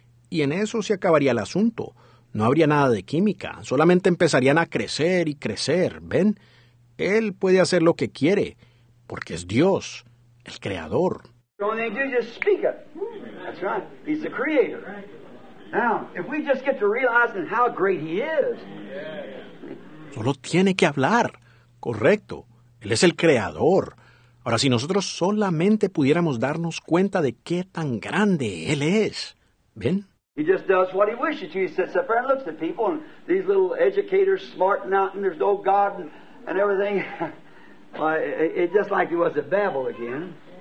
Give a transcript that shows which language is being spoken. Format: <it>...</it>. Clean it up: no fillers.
<es>Y en eso se acabaría el asunto. No habría nada de química. Solamente empezarían a crecer y crecer. ¿Ven? Él puede hacer lo que quiere, porque es Dios, el Creador.</es> <en>So when they do, just speak it. That's right. He's the Creator. Now, if we just get to realizing how great He is.</en> <es>Solo tiene que hablar. Correcto. Él es el Creador. Ahora, si nosotros solamente pudiéramos darnos cuenta de qué tan grande Él es. ¿Ven?</es> <en>He just does what He wishes to. He sits up there and looks at people and these little educators smarting out and there's no God and everything. It's just like it was at Babel again.</en>